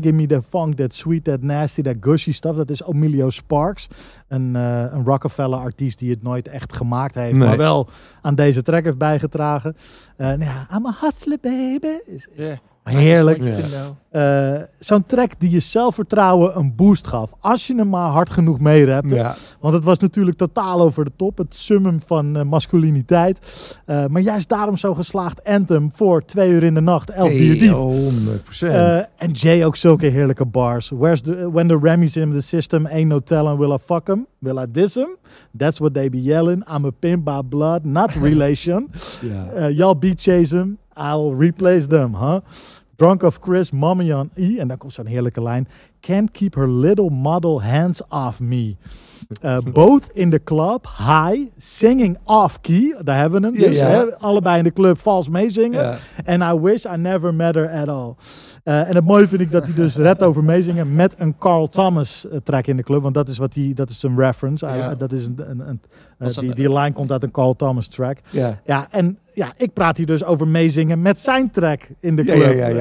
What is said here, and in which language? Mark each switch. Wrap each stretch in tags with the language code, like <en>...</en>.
<en>Give me the funk, that sweet, that nasty, that gushy stuff.</en> <nl>Dat is Emilio Sparks. Een Rockefeller-artiest die het nooit echt gemaakt heeft. Nee. Maar wel aan deze track heeft bijgedragen.</nl> <en>I'm a hustler, baby.</en> <nl>Heerlijk. Zo'n track die je zelfvertrouwen een boost gaf. Als je hem maar hard genoeg mee rapte. Ja. Want het was natuurlijk totaal over de top. Het summum van masculiniteit. Maar juist daarom zo geslaagd anthem voor 2 uur in de nacht. 11 bier diep. 100%. En Jay ook zulke heerlijke bars.</nl> <en>Where's the, when the Remy's in the system, ain't no telling, will I fuck him? Will I diss him? That's what they be yelling. I'm a pimp by blood, not relation. Y'all be chasing. I'll replace them, huh? Drunk of Chris, Mommy on E.</en> <nl>En dan komt zo'n heerlijke lijn.</nl> <en>Can't keep her little model hands off me. Both in the club, high, singing off key.</en> <nl>Daar hebben we hem. Dus allebei in de club vals meezingen. Yeah.</nl> <en>And I wish I never met her at all.</en> <nl>En het mooie vind ik dat hij dus rapt over meezingen met een Carl Thomas track in de club. Want dat is wat dat is een reference. Dat is die lijn komt uit een Carl Thomas track.</nl> <en>Yeah.</en> <nl>Ja, en ja, ik praat hier dus over meezingen met zijn track in de club.</nl>